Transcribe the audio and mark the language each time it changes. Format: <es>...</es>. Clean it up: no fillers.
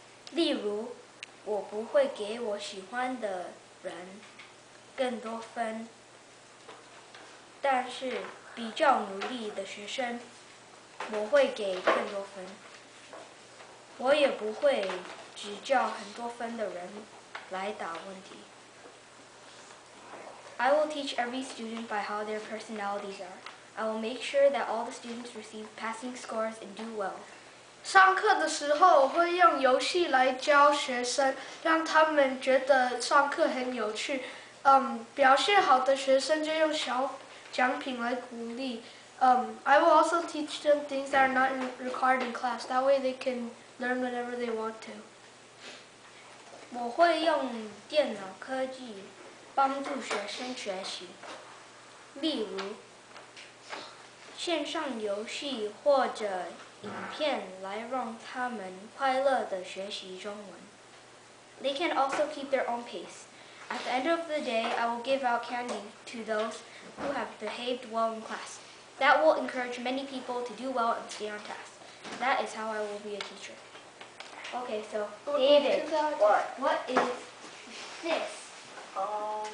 <zh>例如，我不会给我喜欢的人更多分，但是比较努力的学生，我会给更多分。我也不会只叫很多分的人来打问题。</zh> <en>I will teach every student by how their personalities are. I will make sure that all the students receive passing scores and do well.</en> <zh>上课的时候我会用游戏来教学生，让他们觉得上课很有趣。表现好的学生就用小奖品来鼓励。</zh> <en>I will also teach them things that are not required in class. That way they can learn whenever they want to.</en> <zh>我会用电脑科技帮助学生学习，例如线上游戏或者影片来让他们快乐地学习中文。</zh> <en>They can also keep their own pace. At the end of the day, I will give out candy to those who have behaved well in class. That will encourage many people to do well and stay on task. That is how I will be a teacher. Okay, so David, what is this?</en>